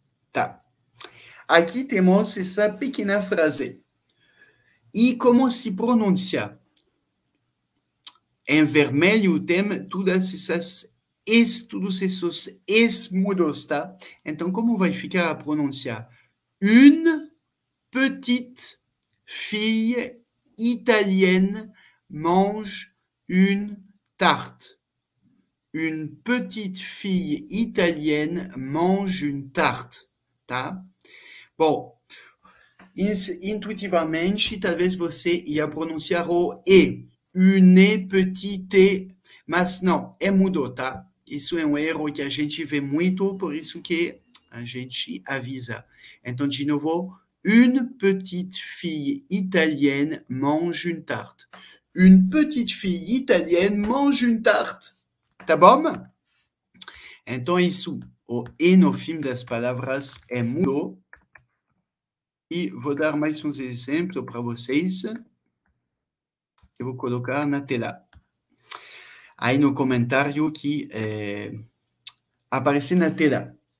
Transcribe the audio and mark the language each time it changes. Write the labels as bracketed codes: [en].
[pt] Tá. Aqui temos essa pequena frase. E como se pronuncia? Em vermelho tem todas essas es, todos esses es mudos, tá? Então, como vai ficar a pronúncia? [fr] Une petite fille italienne mange une tarte. Une petite fille italienne mange une tarte, tá? [pt] Bom, intuitivamente, talvez você ia pronunciar o E, une petite, mas não, é mudo, tá? Isso é um erro que a gente vê muito, por isso que a gente avisa. [fr] Então, de novo, une petite fille italienne mange une tarte. Une petite fille italienne mange une tarte. [pt] Tá bom? Então, isso. O E no fim das palavras é mudo. E vou dar mais uns exemplos para vocês, que eu vou colocar na tela. Aí no comentário que aparecer na tela.